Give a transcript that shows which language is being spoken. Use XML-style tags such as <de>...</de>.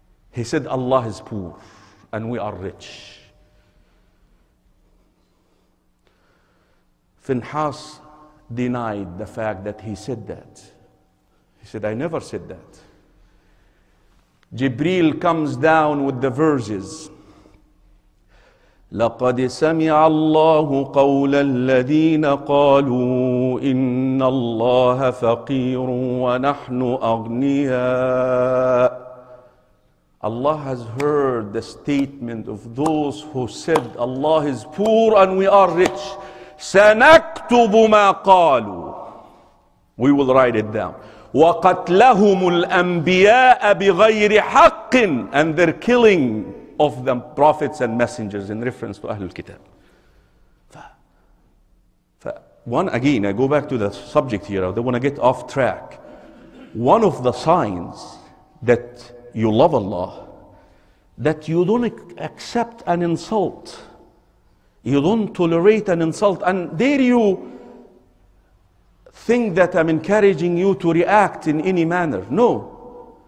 <en>He said, Allah is poor and we are rich. Finhas denied the fact that he said that. He said, I never said that. Jibreel comes down with the verses.</en> <ar>لقد سمع الله قول الذين قالوا إن الله فقير ونحن أغنياء.</ar> <en>Allah has heard the statement of those who said Allah is poor and we are rich.</en> <ar>سنكتب ما قالوا.</ar> <en>We will write it down.</en> <ar>وقتلهم الأنبياء بغير حق.</ar> <en>And they're killing of the prophets and messengers in reference to Ahlul Kitab. I go back to the subject here. I don't want to get off track. One of the signs that you love Allah, that you don't accept an insult, you don't tolerate an insult, and dare you think that I'm encouraging you to react in any manner. No.</en>